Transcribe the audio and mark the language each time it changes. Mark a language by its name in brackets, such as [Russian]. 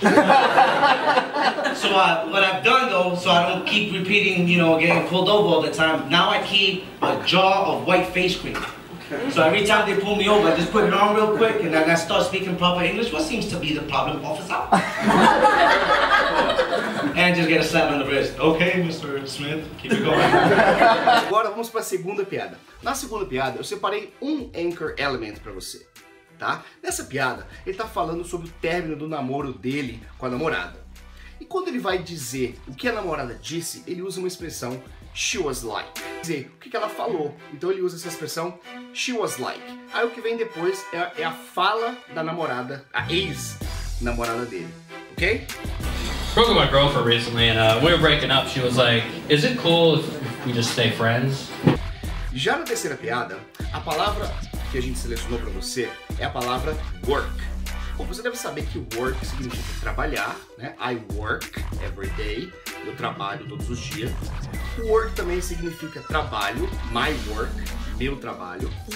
[English] So what I've done though, so I don't keep repeating, you know, getting pulled over all the time. Now I keep a jar of white face cream. So every time they pull me over, I just put it on real quick and then I start speaking proper English. What seems to be the problem, officer? And just get a slap on the wrist. Okay, Mr. Smith, keep it going. [Portuguese] Agora vamos para a segunda piada. Na segunda piada, eu separei um anchor element para você, tá? Nessa piada, ele tá falando sobre o término do namoro dele com a namorada. E quando ele vai dizer o que a namorada disse, ele usa uma expressão [English] she was like. [Portuguese] Quer dizer, o que ela falou? Então ele usa essa expressão [English] she was like. [Portuguese] Aí o que vem depois é a fala da namorada, a ex-namorada dele, ok? [English] Spoke with my girlfriend recently and we were breaking up. She was like, is it cool if we just stay friends? [Portuguese] Já na terceira piada, a palavra que a gente selecionou pra você é a palavra work. Bom, você deve saber que work significa trabalhar, né? [English] I work every day, [Portuguese] eu trabalho todos os dias. Work também significa trabalho, [English] my work, [Portuguese] meu trabalho.